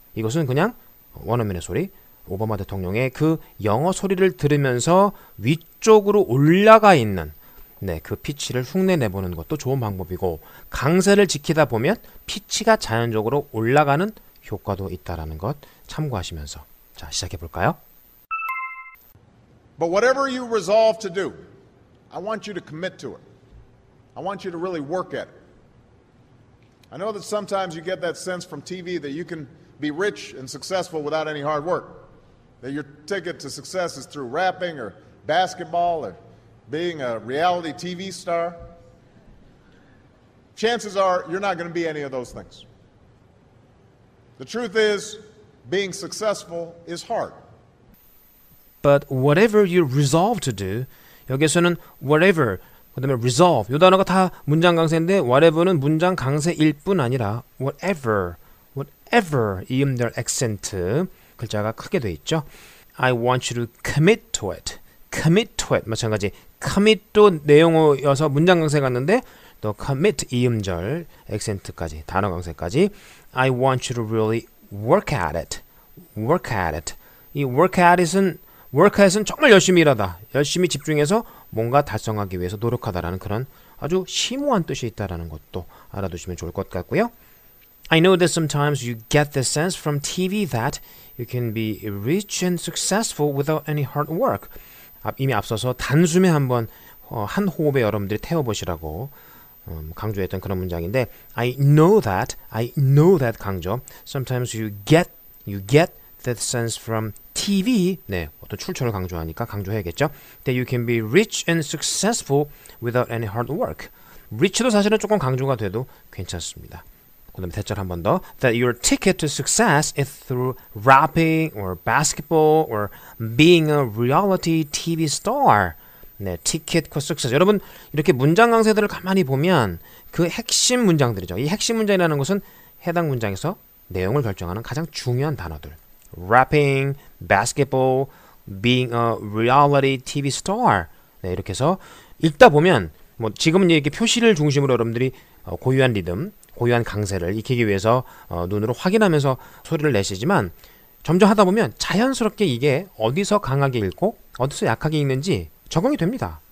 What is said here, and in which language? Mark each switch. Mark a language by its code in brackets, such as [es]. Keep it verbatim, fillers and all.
[ko] 이것은 그냥 원어민의 소리, 오바마 대통령의 그 영어 소리를 들으면서 위쪽으로 올라가 있는 네, 그 피치를 흉내내보는 것도 좋은 방법이고, 강세를 지키다 보면 피치가 자연적으로 올라가는 효과도 있다는 것 참고하시면서 자, 시작해볼까요? [en] But whatever you resolve to do, I want you to commit to it. I want you to really work at it. I know that sometimes you get that sense from T V that you can be rich and successful without any hard work, that your ticket to success is through rapping or basketball or being a reality T V star. Chances are you're not going to be any of those things. The truth is, being successful is hard. But whatever you resolve to do, [ko] 여기에서는 whatever, 그 다음에 resolve, 이 단어가 다 문장 강세인데 whatever는 문장 강세일 뿐 아니라 whatever, whatever, 이음절 액센트 글자가 크게 돼 있죠. [en] I want you to commit to it. commit to it. [ko] 마찬가지 commit도 내용어여서 문장 강세 갔는데 또 commit 이음절 액센트까지, 단어 강세까지. [en] I want you to really work at it. work at it. [ko] 이 work at it은 work at it은 정말 열심히 일하다, 열심히 집중해서 뭔가 달성하기 위해서 노력하다라는 그런 아주 심오한 뜻이 있다라는 것도 알아두시면 좋을 것 같고요. [en] I know that sometimes you get the sense from T V that you can be rich and successful without any hard work. [ko] 이미 앞서서 단숨에 한번 어, 한 호흡에 여러분들이 태워보시라고 음, 강조했던 그런 문장인데, [en] I know that, I know that [ko] 강조. [en] Sometimes you get, you get that sense from T V. [ko] 네, 어떤 출처를 강조하니까 강조해야겠죠. [en] That you can be rich and successful without any hard work. [ko] rich도 사실은 조금 강조가 돼도 괜찮습니다. 그 다음에 대절 한 번 더. [en] That your ticket to success is through rapping or basketball or being a reality T V star. [ko] 네, 티켓 컨스트럭션. 여러분 이렇게 문장 강세들을 가만히 보면 그 핵심 문장들이죠. 이 핵심 문장이라는 것은 해당 문장에서 내용을 결정하는 가장 중요한 단어들. [en] Rapping, basketball, being a reality 티비 star. [ko] 네, 이렇게 해서 읽다 보면 뭐 지금은 이렇게 표시를 중심으로 여러분들이 고유한 리듬, 고유한 강세를 익히기 위해서 눈으로 확인하면서 소리를 내시지만 점점 하다 보면 자연스럽게 이게 어디서 강하게 읽고 어디서 약하게 읽는지 적응이 됩니다.